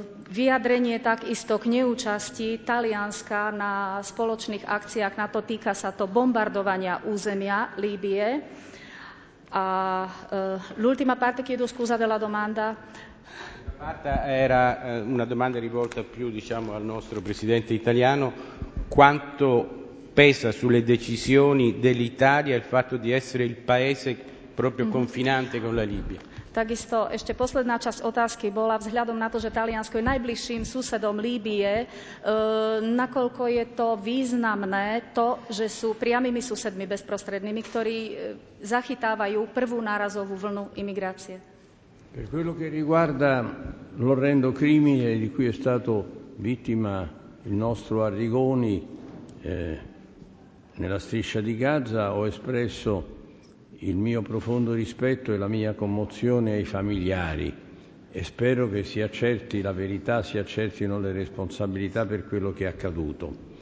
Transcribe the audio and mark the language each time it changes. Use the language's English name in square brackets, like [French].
[Slovak] Vyjadrenie takisto k neúčasti Talianska na spoločných akciách, na to týka sa to bombardovania územia Líbie. [Italian] A l'ultima parte chiedo scusa della domanda. Parte era una domanda rivolta più, diciamo, al nostro presidente italiano, quanto pesa sulle decisioni dell'Italia il fatto di essere il paese proprio confinante con la Libia. [Slovak] Takisto ešte posledná časť otázky bola vzhľadom na to, že Taliansko je najbližším susedom Líbie, nakoľko je to významné to, že sú priamými susedmi bezprostrednými, ktorí zachytávajú prvú nárazovú vlnu imigrácie. [Italian] Per quello che riguarda l'orrendo crimine di cui è stato vittima il nostro Arrigoni nella striscia di Gaza, ho espresso il mio profondo rispetto e la mia commozione ai familiari e spero che si accerti la verità, si accertino le responsabilità per quello che è accaduto.